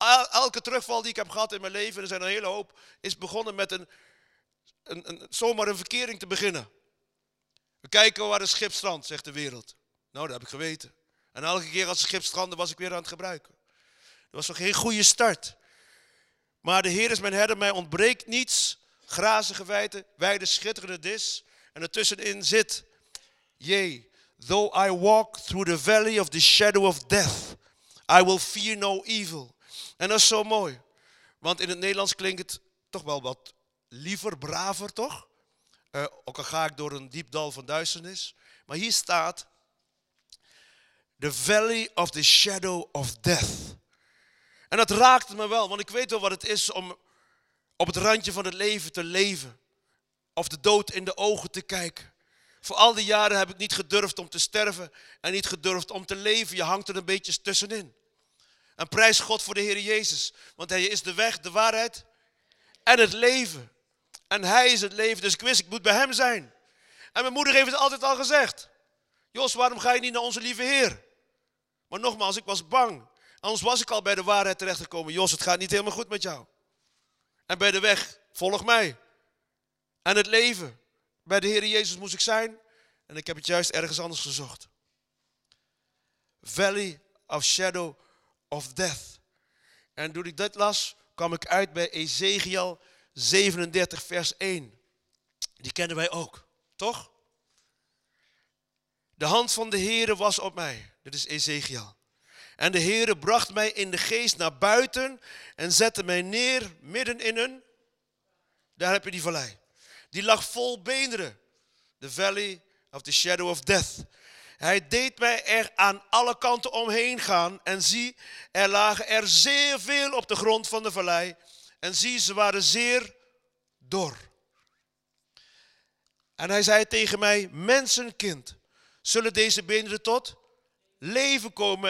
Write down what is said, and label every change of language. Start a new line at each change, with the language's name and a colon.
Dutch: Elke terugval die ik heb gehad in mijn leven. En er zijn een hele hoop. Is begonnen met zomaar een verkering te beginnen. We kijken waar het schip strandt, zegt de wereld. Nou, dat heb ik geweten. En elke keer als het schip strandde, was ik weer aan het gebruiken. Dat was nog geen goede start. Maar de Heer is mijn herder, mij ontbreekt niets. Grazige weiden, wijde schitterende dis. En ertussenin zit,
English: yea, though I walk through the valley of the shadow of death, I will fear no evil.
Dutch: En dat is zo mooi. Want in het Nederlands klinkt het toch wel wat liever, braver, toch? Ook al ga ik door een diep dal van duisternis. Maar hier staat,
English: the valley of the shadow of death.
Dutch: En dat raakte me wel, want ik weet wel wat het is om op het randje van het leven te leven. Of de dood in de ogen te kijken. Voor al die jaren heb ik niet gedurfd om te sterven en niet gedurfd om te leven. Je hangt er een beetje tussenin. En prijs God voor de Heer Jezus, want Hij is de weg, de waarheid en het leven. En Hij is het leven, dus ik wist, ik moet bij Hem zijn. En mijn moeder heeft het altijd al gezegd. Jos, waarom ga je niet naar onze lieve Heer? Maar nogmaals, ik was bang. Anders was ik al bij de waarheid terechtgekomen. Jos, het gaat niet helemaal goed met jou. En bij de weg, volg mij. En het leven. Bij de Heer Jezus moest ik zijn. En ik heb het juist ergens anders gezocht.
English: Valley of Shadow of Death.
Dutch: En toen ik dit las, kwam ik uit bij Ezechiël 37 vers 1. Die kennen wij ook, toch? De hand van de Heere was op mij. Dit is Ezechiël. En de Heere bracht mij in de geest naar buiten en zette mij neer midden in een. Daar heb je die vallei. Die lag vol beenderen.
English: The valley of the shadow of death.
Dutch: Hij deed mij er aan alle kanten omheen gaan. En zie, er lagen er zeer veel op de grond van de vallei. En zie, ze waren zeer dor. En hij zei tegen mij, mensenkind. Zullen deze beenderen tot leven komen?